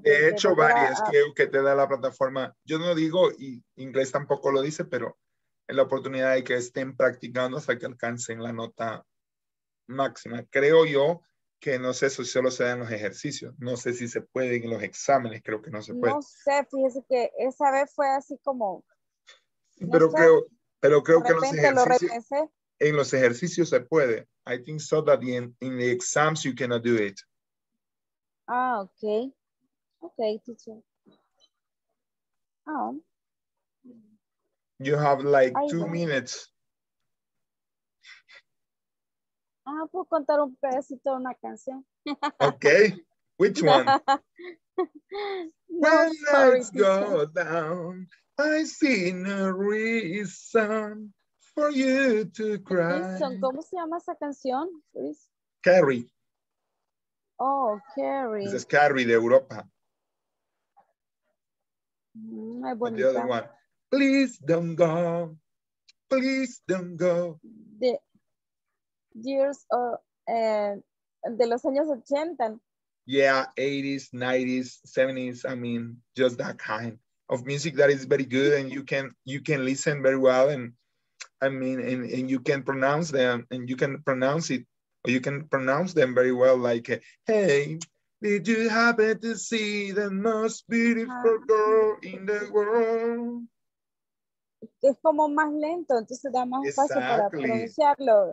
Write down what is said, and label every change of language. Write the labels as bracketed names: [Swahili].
[Spanish] De hecho, varias que te da la plataforma. Yo no digo, y inglés tampoco lo dice, pero la oportunidad de que estén practicando hasta que alcancen la nota máxima. Creo yo que no sé si solo se dan los ejercicios. No sé si se pueden en los exámenes. Creo que no se puede. No sé, fíjese que esa vez fue así como... Pero creo que en los ejercicios se puede. [English] I think so that in the exams you cannot do it. Ah, ok. Ok, teacher. You have like 2 minutes. [Spanish] Ah, puedo contar un pedacito de una canción. [English] Okay, which one? When lights go down, I see no reason for you to cry. [Spanish] Wilson, ¿cómo se llama esa canción, Luis? Carrie. [English] Oh, Carrie. This is Carrie de Europa. On the other one, please don't go. Please don't go. The years of [Spanish] de los años 80. [English] Yeah, 80s, 90s, 70s. I mean, just that kind of music that is very good, and you can listen very well, and I mean, and you can pronounce them, and you can pronounce it, or you can pronounce them very well, like, hey, did you happen to see the most beautiful girl in the world? [Spanish] Es como más lento, entonces da más espacio para pronunciarlo.